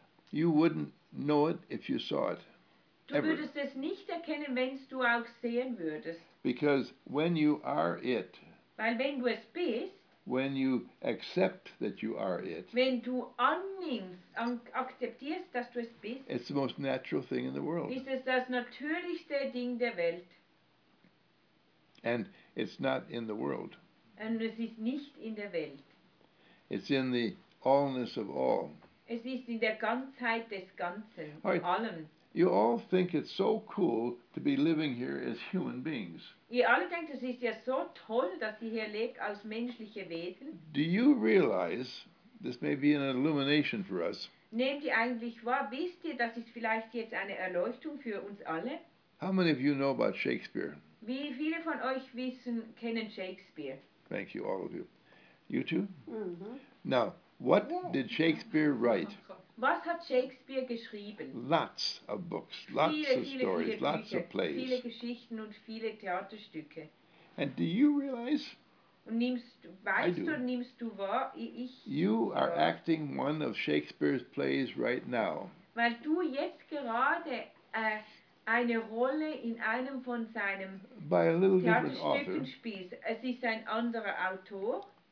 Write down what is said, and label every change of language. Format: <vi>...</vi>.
<en>You wouldn't know it if you saw it.</en> <de>Du würdest es nicht erkennen, wenn du auch sehen würdest.</de> <en>Because when you are it,</en> <de>weil wenn du es bist,</de> <en>when you accept that you are it,</en> <de>wenn du annimmst, akzeptierst, dass du es bist,</de> <en>it's the most natural thing in the world.</en> <de>Ist es das natürlichste Ding der Welt.</de> <en>And it's not in the world.</en> <de>Und es ist nicht in der Welt.</de> <en>It's in the allness of all.</en> <de>Es ist in der Ganzheit des Ganzen, in allem.</de> <en>You all think it's so cool to be living here as human beings.</en> <de>Ihr alle denkt, es ist ja so toll, dass ihr hier lebt als menschliche Wesen.</de> <en>Do you realize this may be an illumination for us?</en> <de>Nehmt ihr eigentlich wahr, wisst ihr, das ist vielleicht jetzt eine Erleuchtung für uns alle?</de> <en>How many of you know about Shakespeare?</en> <de>Wie viele von euch wissen, kennen Shakespeare?</de> <en>Thank you, all of you. You too? Mm-hmm. Now, what did Shakespeare write?</en> <de>Was hat Shakespeare geschrieben?</de> <en>Lots of books, lots</en> <de>viele,</de> <en>of stories,</en> <de>viele Bücher,</de> <en>lots of plays.</en> <de>Viele Geschichten und viele Theaterstücke.</de> <en>And do you realize?</en> <de>Und nimmst du wahr, ich</de> <en>you are acting one of Shakespeare's plays right now.</en> <de>Weil du jetzt gerade eine Rolle in einem von seinen Theaterstücken spielst. Es ist ein anderer Autor.</de>